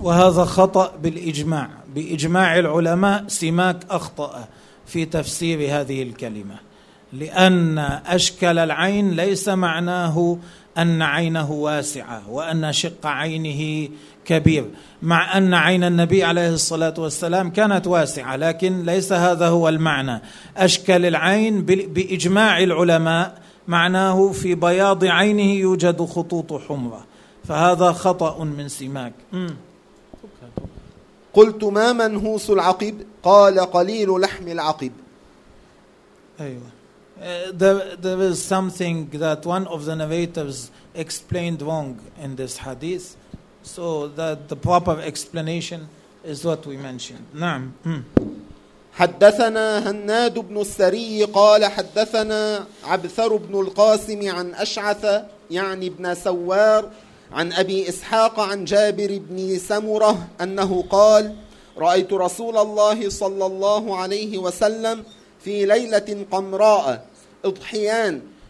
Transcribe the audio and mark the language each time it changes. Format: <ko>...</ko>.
<ar>وهذا خطأ بالإجماع بإجماع العلماء سماك أخطأ في تفسير هذه الكلمة لأن أشكل العين ليس معناه أن عينه واسعة وأن شق عينه كبير مع أن عين النبي عليه الصلاة والسلام كانت واسعة لكن ليس هذا هو المعنى أشكل العين بإجماع العلماء معناه في بياض عينه يوجد خطوط حمرة فهذا خطأ من سماك. قلت ما منهوس العقب قال قليل لحم العقب أيوة</ar> <en>There is something that one of the narrators explained wrong in this hadith. So that the proper explanation is what we mentioned.</en> <ar>نعم. حدثنا هناد بن السري قال حدثنا عبثر بن القاسم عن أشعث يعني ابن سوار عن أبي إسحاق عن جابر بن سمرة أنه قال رأيت رسول الله صلى الله عليه وسلم في ليلة قمراء إضحيان.</ar>